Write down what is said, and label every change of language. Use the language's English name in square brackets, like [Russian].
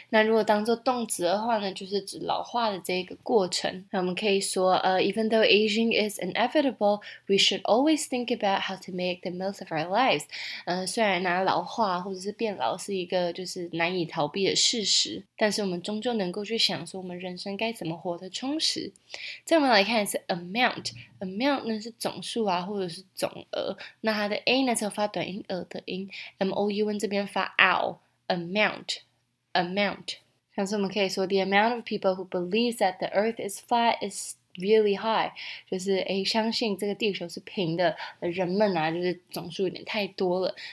[Chinese] 那如果当作动词的话呢，就是指老化的这个过程。那我们可以说， [English] even though aging is inevitable， we should always think about how to make the most of our lives。 [Chinese] 虽然呢老化或者是变老是一个就是难以逃避的事实，但是我们终究能够去想说我们人生该怎么活得充实。再我们来看是 amount 呢是总数啊或者是总额，那它的 a 呢是发短音额的音， moun 这边发 ow， amount 像是我们可以说 [English] the amount of people who believes that the earth is flat is really high， [Chinese] 就是相信这个地球是平的人们啊就是总数有点太多了。